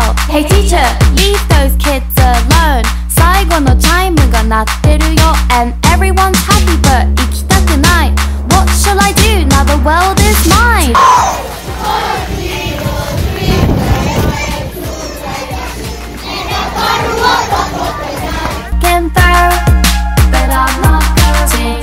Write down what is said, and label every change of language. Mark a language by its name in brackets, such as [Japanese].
[English] Hey teacher, leave those kids alone. [Japanese] 最後のチャイムが鳴ってるよ。 [English] And everyone's happy but [Japanese] 行きたくない。 [English] What shall I do? Now the world is mine. Can throw, but I'm not throwing.